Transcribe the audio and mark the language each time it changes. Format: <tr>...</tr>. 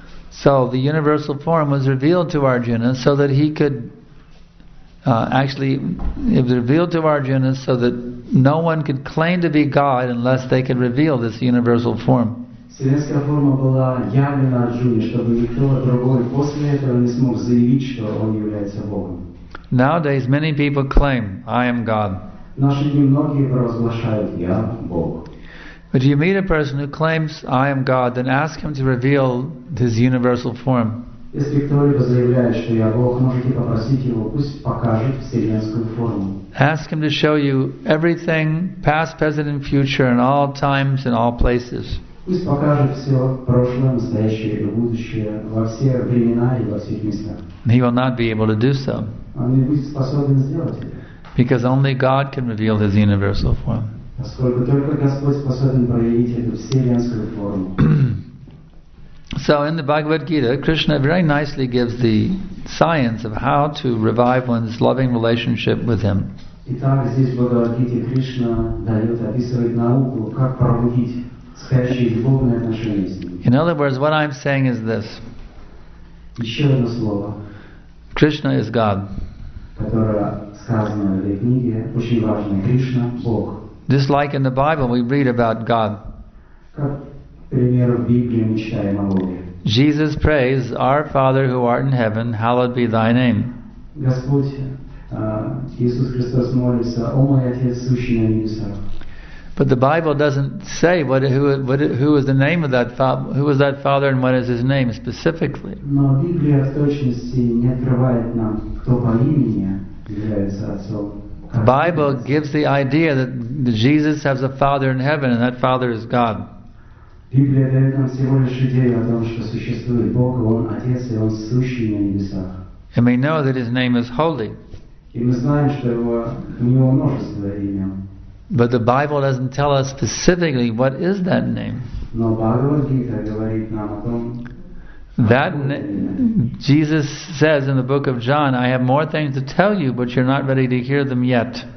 <en>So the universal form was revealed to Arjuna so that he could it was revealed to Arjuna so that no one could claim to be God unless they could reveal this universal form.</en> <ru>Вселенская форма была явлена Арджуне, чтобы никто другой после этого не смог заявить, что он является Богом.</ru> <en>Nowadays many people claim, I am God.</en> <ru>В наши дни многие провозглашают, я Бог.</ru> <en>But if you meet a person who claims, I am God, then ask him to reveal his universal form.</en> <ru>Если кто-либо заявляет, что я Бог, можете попросить его, пусть покажет вселенскую форму.</ru> <en>Ask him to show you everything, past, present and future, in all times and all places.</en> <ru>Пусть покажет все прошлое, настоящее и будущее во все времена и во всех местах.</ru> <en>He will not be able to do so.</en> <ru>Он не будет способен сделать это.</ru> <en>Because only God can reveal His universal form.</en> <ru>Поскольку только Господь способен проявить эту вселенскую форму.</ru> <en>So in the Bhagavad Gita, Krishna very nicely gives the science of how to revive one's loving relationship with Him.</en> <ru>Итак, здесь в Бхагавад Гите Кришна дает описывает науку, как пробудить сходящие любовные отношения с Ним.</ru> <en>In other words, what I'm saying is this.</en> <ru>Еще одно слово.</ru> <en>Krishna is God.</en> <ru>Которое сказано в этой книге, очень важно. Кришна – Бог.</ru> <en>Just like in the Bible, we read about God.</en> <ru>Как пример в Библии мы читаем о Боге.</ru> <en>Jesus prays, Our Father who art in heaven, hallowed be thy name.</en> <ru>Господь, Иисус Христос молится, О мой Отец, сущий на небесах.</ru> <en>But the Bible doesn't say who is the name of that father, who was that father, and what is his name specifically.</en> <ru>Но Библия в точности не открывает нам, кто по имени является отцом.</ru> <en>The Bible gives the idea that Jesus has a Father in heaven, and that Father is God.</en> <ru>Библия дает нам всего лишь идею о том, что существует Бог, Он Отец, и Он сущий на небесах.</ru> <en>And we know that His name is holy.</en> <ru>И мы знаем, что у Него множество имен.</ru> <en>But the Bible doesn't tell us specifically what is that name.</en> <ru>Но Бхагавад Гита говорит нам о том,</ru> <en>That Jesus says in the book of John, I have more things to tell you, but you're not ready to hear them yet.</en>